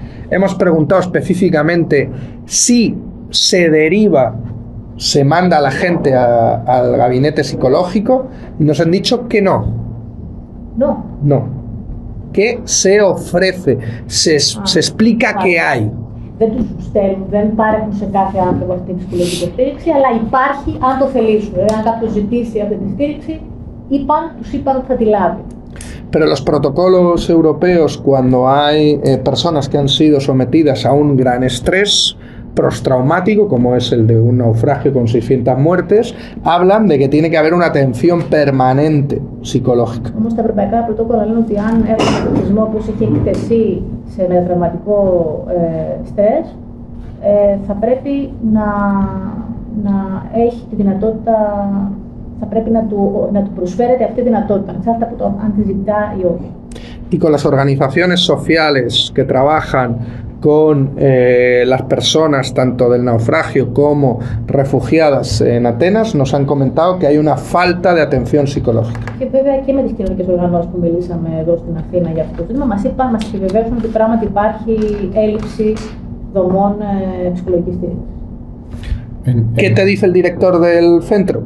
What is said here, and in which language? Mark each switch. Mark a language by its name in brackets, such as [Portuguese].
[Spanish] Hemos preguntado específicamente si se deriva, se manda a la gente al gabinete psicológico y nos han dicho que no. No. No. qué se ofrece, se explica qué hay. [Greek] Δεν τους στέλνουν, δεν υπάρχουν σε κάθε άνθρωπο αυτή τη σχολική στήριξη, αλλά υπάρχει αν το θελήσουν. Αν κάποιος ζητήσει αυτή τη στήριξη, είπαν, τους είπαν ότι θα τη λάβει. [Spanish] Pero los protocolos europeos, cuando hay personas que han sido sometidas a un gran estrés postraumático, como es el de un naufragio con 600 muertes, hablan de que tiene que haber una atención permanente psicológica. [Greek] Όμως τα ευρωπαϊκά πρωτόκολλα λένε ότι αν έχουν ένα τραυματισμό που έχει εκτεθεί σε μετατραυματικό στρες, θα πρέπει να έχει τη δυνατότητα. Θα πρέπει να του προσφέρεται αυτή τη δυνατότητα, ανεξάρτητα από το αν τη ζητά ή όχι. [Spanish] Y con las organizaciones sociales que trabajan con las personas tanto del naufragio como refugiadas en Atenas, nos han comentado que hay una falta de atención psicológica. [Greek] Και βέβαια και με τις κοινωνικές οργανώσεις που μιλήσαμε εδώ στην Αθήνα για αυτό το θέμα, μας επιβεβαίωσαν ότι πράγματι υπάρχει έλλειψη δομών ψυχολογικής στήριξης. [Spanish] ¿Qué te dice el director del centro?